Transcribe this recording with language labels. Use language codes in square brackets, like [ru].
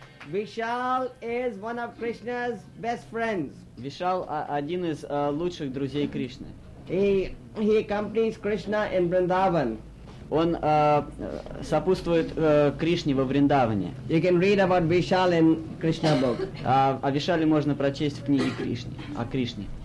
[en] Vishal is one of Krishna's best friends. [ru] Vishal один из лучших друзей Кришны. [en] He accompanies Krishna in Vrindavan. [ru] Он сопутствует Кришне во Вриндаване. [en] You can read about Vishal in Krishna book. [ru] О Вишале можно прочесть в книге Кришны, о Кришне.